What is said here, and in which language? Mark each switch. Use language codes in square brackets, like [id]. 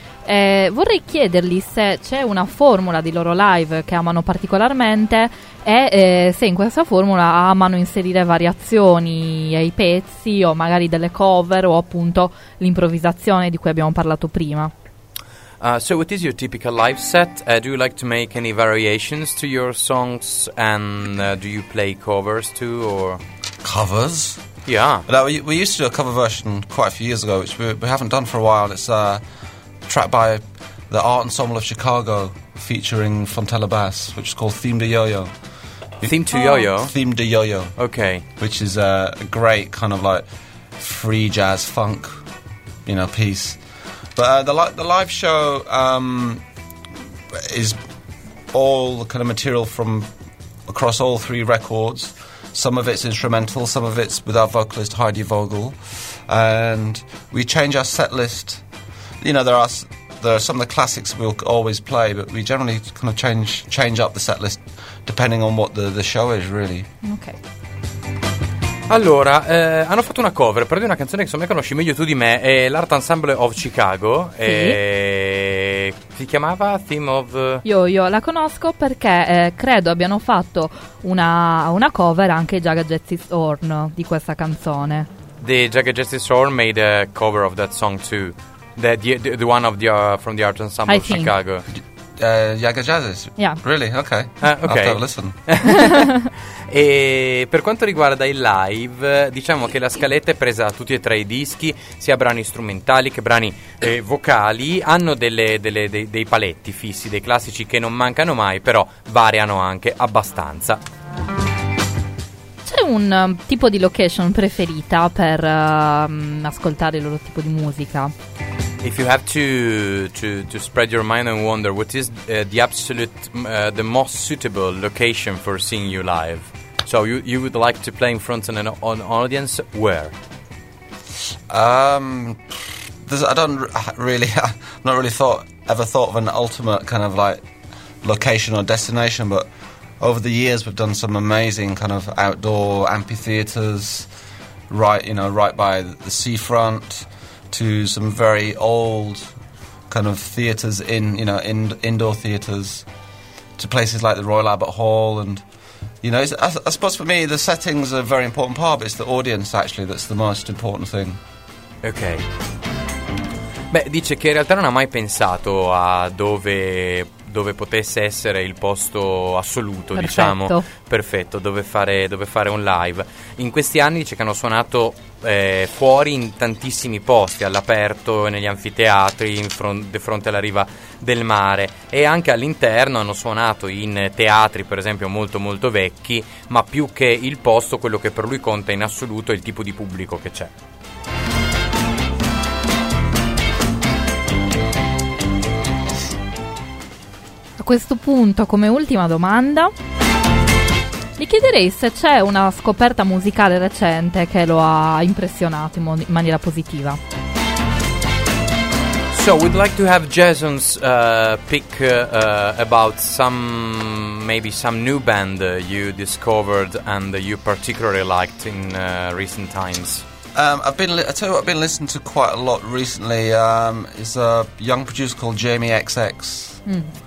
[it] Vorrei chiedergli se c'è una formula di loro live che amano particolarmente e se in questa formula amano inserire variazioni ai pezzi o magari delle cover o appunto l'improvvisazione di cui abbiamo parlato prima. [en] So what is your typical live set? Do you like to make any variations to your songs and do you play covers too or covers? Yeah. Now, we used to do a cover version quite a few years ago, which we haven't done for a while. It's track by the Art Ensemble of Chicago featuring Fontella Bass, which is called Theme de Yo-Yo. Theme to Yo-Yo? Theme de Yo-Yo. Okay. Which is a great kind of like free jazz funk, you know, piece. But the live show is all the kind of material from across all three records. Some of it's instrumental, some of it's with our vocalist Heidi Vogel. And we change our set list. You know, there are some of the classics we'll always play, but we generally kind of change up the set list depending on what the show is, really. Okay. [it] Allora, hanno fatto una cover, però di una canzone che insomma conosci meglio tu di me, è l'Art Ensemble of Chicago. Sì. Si chiamava Theme of... Yo-Yo, la conosco perché credo abbiano fatto una cover anche già Jagged Justice Horn di questa canzone. [en] The Jagged Justice Horn made a cover of that song too. The one of the from the Art Ensemble I of think. Chicago. Yaga Jazzes? Yeah. Really? Okay. Okay. I'll have to listen. [it] E per quanto riguarda il live, diciamo che la scaletta è presa da tutti e tre i dischi, sia brani strumentali che brani vocali. Hanno dei paletti fissi, dei classici che non mancano mai, però variano anche abbastanza. C'è un tipo di location preferita per ascoltare il loro tipo di musica? If you have to spread your mind and wonder, what is the absolute, the most suitable location for seeing you live? So you would like to play in front of an audience, where? I've not really thought of an ultimate kind of like location or destination, but over the years we've done some amazing kind of outdoor amphitheaters, right by the seafront, to some very old kind of theatres indoor theatres, to places like the Royal Albert Hall. And you know, I suppose for me the settings are a very important part, but it's the audience actually that's the most important thing. Okay. Beh, dice che in realtà non ha mai pensato a dove dove potesse essere il posto assoluto. Perfetto. Diciamo, perfetto, dove fare un live. In questi anni dice che hanno suonato fuori in tantissimi posti, all'aperto, negli anfiteatri, di fronte alla riva del mare, e anche all'interno hanno suonato in teatri, per esempio, molto molto vecchi, ma più che il posto, quello che per lui conta in assoluto è il tipo di pubblico che c'è. A questo punto, come ultima domanda, gli chiederei se c'è una scoperta musicale recente che lo ha impressionato in maniera positiva. [en] So we'd like to have Jason's pick about some, maybe some new band you discovered and you particularly liked in recent times. I've been listening to quite a lot recently. It's a young producer called Jamie XX. Mm.